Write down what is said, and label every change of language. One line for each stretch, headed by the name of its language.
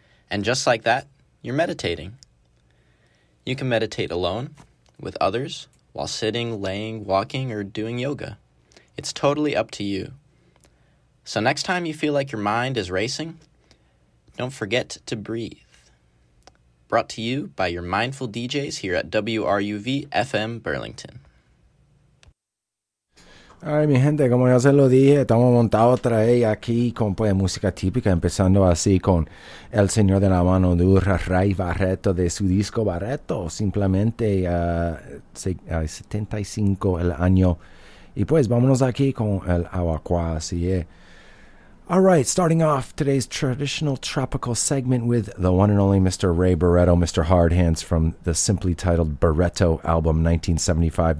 English: And just like that, you're meditating. You can meditate alone, with others, while sitting, laying, walking, or doing yoga. It's totally up to you. So next time you feel like your mind is racing, don't forget to breathe. Brought to you by your mindful DJs here at WRUV-FM Burlington.
Spanish: All right, mi gente, como ya se lo dije, estamos montados otra vez aquí con pues, música típica, empezando así con El Señor de la Mano Dura, Ray Barreto, de su disco Barreto, simplemente 75 el año. Y pues, vámonos aquí con el Awakwa, así es.
English: All right, starting off today's traditional tropical segment with the one and only Mr. Ray Barreto, Mr. Hard Hands, from the simply titled Barreto album, 1975.